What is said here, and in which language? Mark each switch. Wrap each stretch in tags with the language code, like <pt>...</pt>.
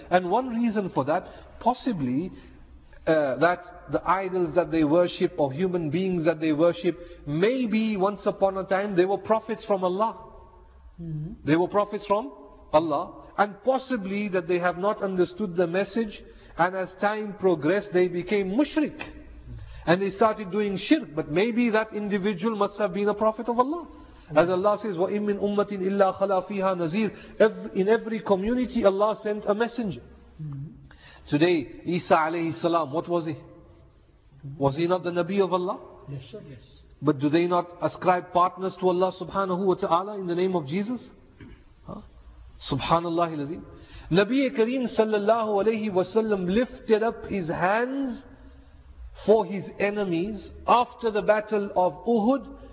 <en>And one reason for that, possibly, that the idols that they worship or human beings that they worship, maybe once upon a time they were prophets from Allah. Mm-hmm. They were prophets from Allah. And possibly that they have not understood the message, and as time progressed they became mushrik. And they started doing shirk. But maybe that individual must have been a prophet of Allah. As Allah says,</en> <ar>وَإِن مِّنْ أُمَّةٍ إِلَّا خَلَى فِيهَا نَزِيرٌ.</ar> <en>In every community Allah sent a messenger. Today, Isa alayhi salam, what was he? Was he not the Nabi of Allah? Yes, sir. Yes. But do they not ascribe partners to Allah subhanahu wa ta'ala in the name of Jesus? Subhanallah al-Azim. Nabi Kareem sallallahu alayhi wa sallam lifted up his hands for his enemies after the battle of Uhud.</en>